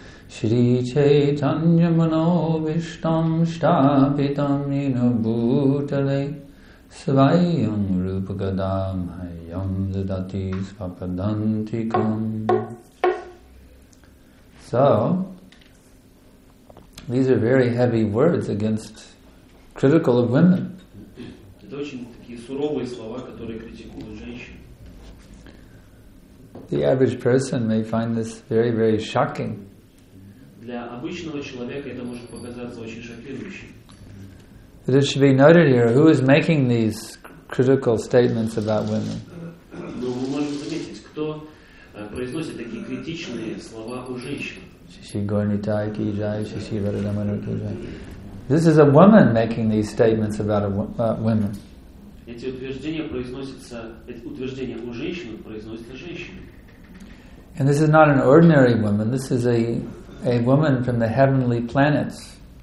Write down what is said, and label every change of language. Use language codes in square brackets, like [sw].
[sa] Шри Чайтанья Мановиштам Штапитам Ино Бутале Свайям Рупагадам Хайям Задати Свападантикам. [en] So, these are very heavy words against critical of women. [ru] Это очень такие суровые слова, которые критикуют женщин. [en] The average person may find this very, very shocking. [ru] Для обычного человека это может показаться очень шокирующим. [en] But it should be noted here, who is making these critical statements about women? [ru] Но мы можем заметить, кто произносит такие критичные слова о женщинах. [en] This is a woman making these statements about women. And this is not an ordinary woman, this is a woman from the heavenly planets.